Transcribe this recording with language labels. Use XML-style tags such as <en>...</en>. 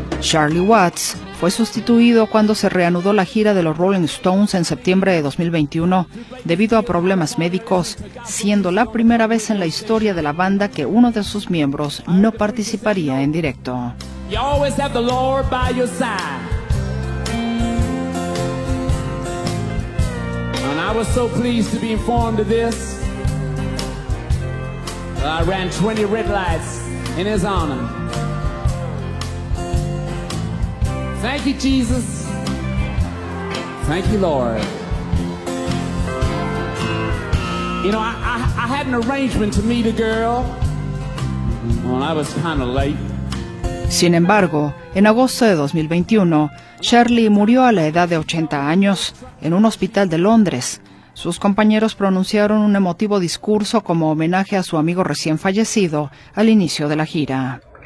<es>Charlie Watts fue sustituido cuando se reanudó la gira de los Rolling Stones en septiembre de 2021 debido a problemas médicos, siendo la primera vez en la historia de la banda que uno de sus miembros no participaría en directo.</es> <en>You always have the Lord by your side. And I was so pleased to be informed of this. I ran 20 red lights in his honor. Thank you, Jesus. Thank you, Lord. You know, I had an arrangement to meet a girl. Well, I was kind of late.</en> <es>Sin embargo, en agosto de 2021, Shirley murió a la edad de 80 años en un hospital de Londres. Sus compañeros pronunciaron un emotivo discurso como homenaje a su amigo recién fallecido al inicio de la gira.</es>